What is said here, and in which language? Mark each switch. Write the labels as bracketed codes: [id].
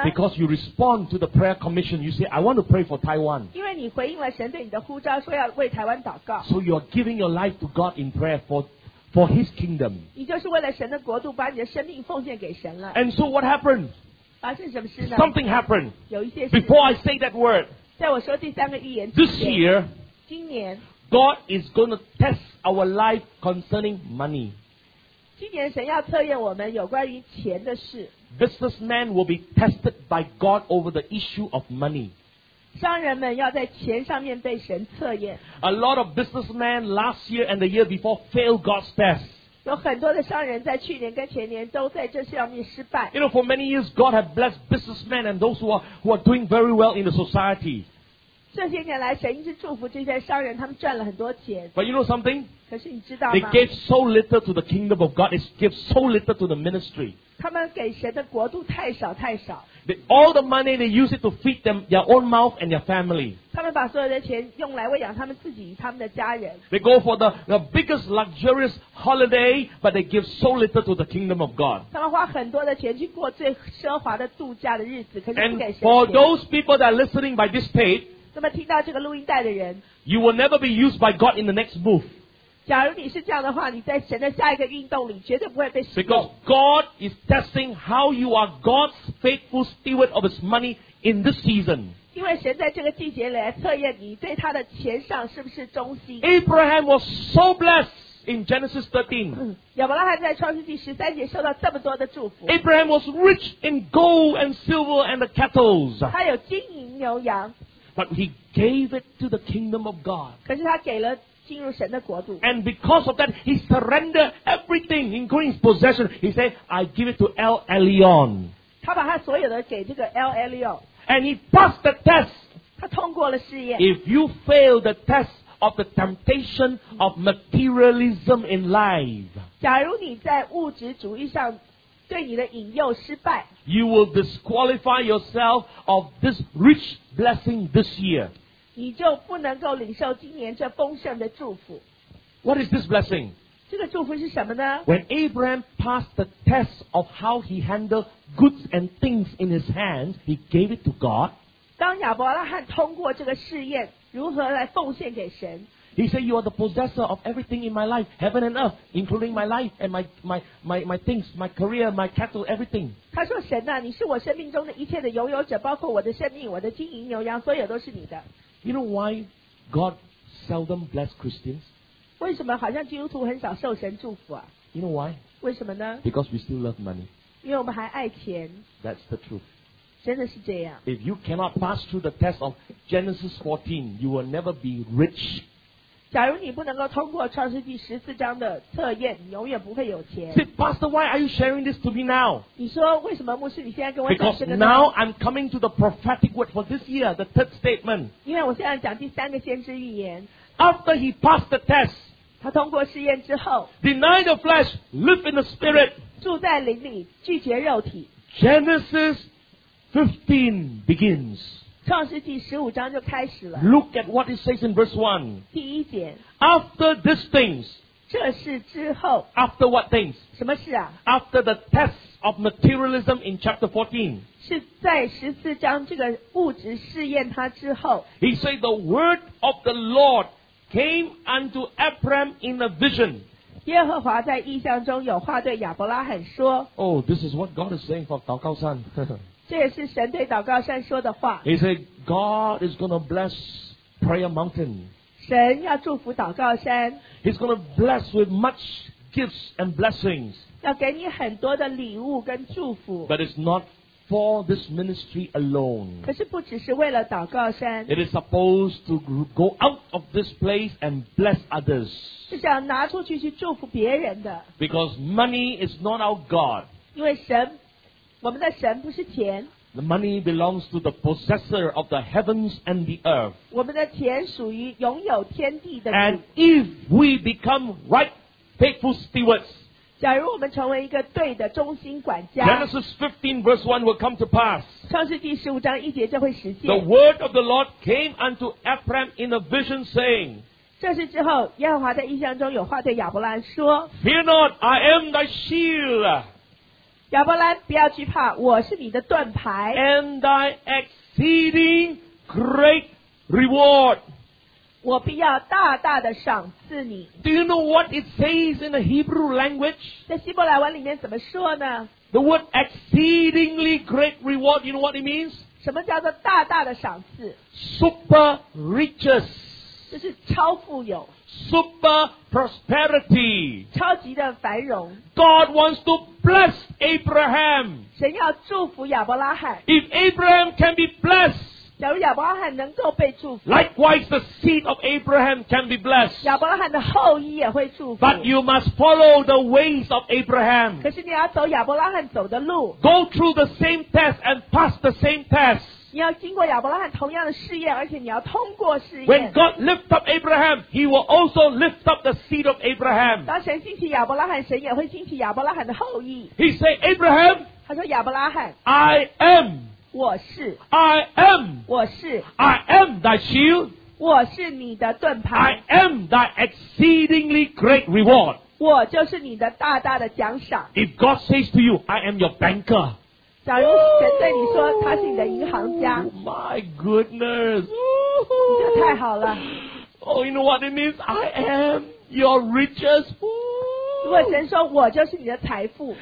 [en] Because you respond to the prayer commission. You say, I want to pray for Taiwan. [zh] 因为你回应了神对你的呼召说要为台湾祷告 [en] So you are giving your life to God in prayer for His kingdom. [zh] 你就是为了神的国度把你的生命奉献给神了 [en] And so what happened? [zh] 发生什么事呢 [en] Something happened. [zh] 有一些事 [en] Before I say that word. [zh] 在我说第三个预言 [en] This year, [zh] 今年 [en] God is going to test our life concerning money. [zh] 今年神要测验我们有关于钱的事。 [en] Businessmen will be tested by God over the issue of money. [zh] 商人们要在钱上面被神测验。 [en] A lot of businessmen last year and the year before failed God's test. [zh] 有很多的商人在去年跟前年都在这上面失败。 [en] You know, for many years, God has blessed businessmen and those who are doing very well in the society. [zh] 这些年来神一直祝福这些商人他们赚了很多钱 [en] But you know something? [zh] 可是你知道吗 [en] They gave so little to the kingdom of God They gave so little to the ministry [zh] 他们给神的国度太少太少 [en] All the money they use it to feed them their own mouth and their family [zh] 他们把所有的钱用来喂养他们自己他们的家人 [en] They go for the biggest luxurious holiday but they give so little to the kingdom of God [zh] 他们花很多的钱去过最奢华的度假的日子可是不给神钱 [en] And for those people that are listening by this tape [zh] 那么听到这个录音带的人 [en] You will never be used by God in the next move. [zh] 假如你是这样的话你在神的下一个运动里绝对不会被使用 [en] Because God is testing how you are God's faithful steward of His money in this season. [zh] 因为神在这个季节来测验你对他的钱上是不是忠心 [en] Abraham was so blessed in Genesis 13. [zh] 亚伯拉罕在创世纪十三节受到这么多的祝福 [en] Abraham was rich in gold and silver and the cattle. [zh] 他有金银牛羊 [en] But he gave it to the kingdom of God. [zh] 可是他给了进入神的国度。 [en] And because of that, he surrendered everything, including his possession. He said, I give it to El Elyon. [zh] 他把他所有的给这个 El Elyon. [en] And he passed the test. [zh] 他通过了试验。 [en] If you fail the test of the temptation of materialism in life, [zh] 假如你在物质主义上对你的引诱失败 [en] You will disqualify yourself of this rich blessing this year. [zh] 你就不能够领受今年这丰盛的祝福。 [en] What is this blessing? [zh] 这个祝福是什么呢? [en] When Abraham passed the test of how he handled goods and things in his hands, he gave it to God. [zh] 当亚伯拉罕通过这个试验如何来奉献给神 [en] He said, you are the possessor of everything in my life, heaven and earth, including my life and my things, my career, my cattle, everything. [zh] 他说神啊你是我生命中的一切的拥有者包括我的生命我的金银牛羊所有都是你的。 [en] You know why God seldom bless Christians? [zh] 为什么好像基督徒很少受神祝福啊 [en] You know why? [zh] 为什么呢 [en] Because we still love money. [zh] 因为我们还爱钱。 [en] That's the truth. [zh] 真的是这样。 [en] If you cannot pass through the test of Genesis 14, you will never be rich. [zh] 假如你不能够通过创世纪十四章的测验，你永远不会有钱。 [en] Say, Pastor, why are you sharing this to me now? [zh] 你说为什么牧师你现在跟我讲这个呢 [en] Because now I'm coming to the prophetic word for this year, the third statement. [zh] 因为我现在讲第三个先知预言。 [en] After he passed the test, [zh] 他通过试验之后 [en] ，deny the flesh, live in the spirit. [zh] 住在灵里，拒绝肉体。 [en] Genesis 15 begins. [zh] 创世纪十五章就开始了。 [en] Look at what it says in verse 1. [zh] 第一节。 [en] After these things, [zh] 这事之后 [en] After what things? [zh] 什么事啊 [en] After the test of materialism in chapter 14. [zh] 是在十四章这个物质试验他之后 [en] He said the word of the Lord came unto Abraham in a vision. [zh] 耶和华在异象中有话对亚伯拉罕说 [en] Oh, this is what God is saying for 祷告山 [zh] 这也是神对祷告山说的话 [en] He said God is going to bless prayer mountain. [zh] 神要祝福祷告山 [en] He's going to bless with much gifts and blessings. [zh] 要给你很多的礼物跟祝福 [en] But it's not for this ministry alone. [zh] 可是不只是为了祷告山 [en] It is supposed to go out of this place and bless others. [zh] 是想拿出去去祝福别人的 [en] Because money is not our God. [zh] 因为神，我们的神不是钱 [en] The money belongs to the possessor of the heavens and the earth. [zh] 我们的钱属于拥有天地的。 [en] And if we become right, faithful stewards, [zh] 假如我们成为一个对的忠心管家 [en] Genesis 15 verse 1 will come to pass. [zh] 创世纪十五章一节就会实现。 [en] The word of the Lord came unto Ephraim in a vision saying, [zh] 这事之后耶和华在异象中有话对亚伯兰说 [en] Fear not, I am thy shield. [zh] 亚伯兰不要惧怕我是你的盾牌 [en] And thy exceeding great reward [zh] 我必要大大的赏赐你 [en] Do you know what it says in the Hebrew language? [zh] 在希伯来文里面怎么说呢 [en] The word exceedingly great reward You know what it means? [zh] 什么叫做大大的赏赐 [en] Super riches [zh] 这是超富有 [en] Super prosperity. [zh] 超级的繁荣 [en] God wants to bless Abraham. [zh] 神要祝福亚伯拉罕 [en] If Abraham can be blessed, [zh] 假如亚伯拉罕能够被祝福 [en] Likewise, the seed of Abraham can be blessed. [zh] 亚伯拉罕的后裔也会祝福 [en] But you must follow the ways of Abraham. [zh] 可是你要走亚伯拉罕走的路 [en] Go through the same test and pass the same test. [zh] 你要经过亚伯拉罕同样的试验，而且你要通过试验。 [en] When God lift up Abraham, He will also lift up the seed of Abraham. [zh] 当神兴起亚伯拉罕，神也会兴起亚伯拉罕的后裔。 [en] He said, Abraham. [zh] 他说亚伯拉罕。 [en] I am. [zh] 我是。 [en] I am. [zh] 我是。 [en] I am thy shield. [zh] 我是你的盾牌。 [en] I am thy exceedingly great reward. [zh] 我就是你的大大的奖赏。 [en] If God says to you, I am your banker. [zh] 假如神对你说他是你的银行家 [en] My goodness [zh] 这太好了 [en] Oh you know what it means I am your riches [zh] 如果神说我就是你的财富